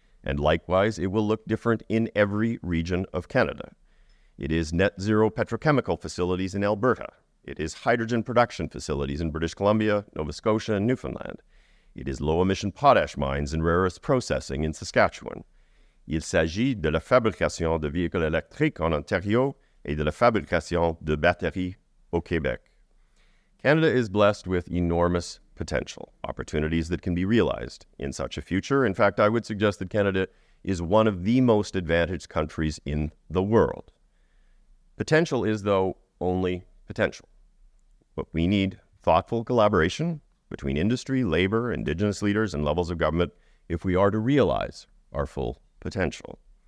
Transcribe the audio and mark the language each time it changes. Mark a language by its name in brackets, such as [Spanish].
[English] And likewise, it will look different in every region of Canada. It is net zero petrochemical facilities in Alberta. It is hydrogen production facilities in British Columbia, Nova Scotia, and Newfoundland. It is low-emission potash mines and rare earth processing in Saskatchewan. [French] Il s'agit de la fabrication de véhicules électriques en Ontario et de la fabrication de batteries au Québec. [English] Canada is blessed with enormous potential, opportunities that can be realized in such a future. In fact, I would suggest that Canada is one of the most advantaged countries in the world. Potential is, though, only potential. But we need thoughtful collaboration between industry, labor, Indigenous leaders, and levels of government if we are to realize our full potential.